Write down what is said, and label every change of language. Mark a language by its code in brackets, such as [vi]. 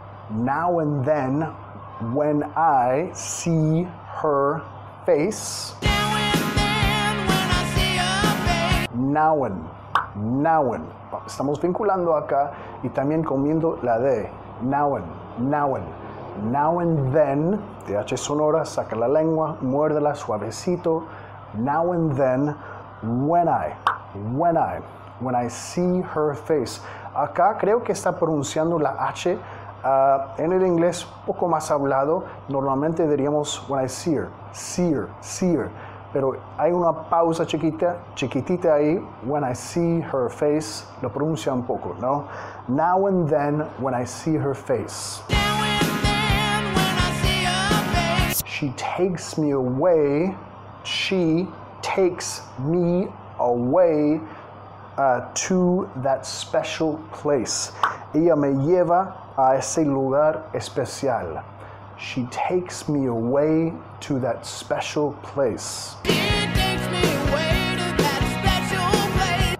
[en] Now and then, when I see her face. Now and then, when I see her face. Now and. [es] Estamos vinculando acá y también comiendo la D. [en] Now and. Now and then, [es] TH sonora, saca la lengua, muérdela suavecito. [en] Now and then. When I, When I see her face. [es] Acá creo que está pronunciando la H. En el inglés poco más hablado, normalmente diríamos [en] when I see her, [es] see her, see her. Pero hay una pausa chiquita, chiquitita ahí. [en] When I see her face, [es] lo pronuncia un poco, ¿no? [en] Now and then, when I see her face. Now and then, when I see her face. She takes me away. She takes me away to that special place. [es] Ella me lleva a ese lugar especial. [en] She takes me away to that special place. She takes me away to that special place.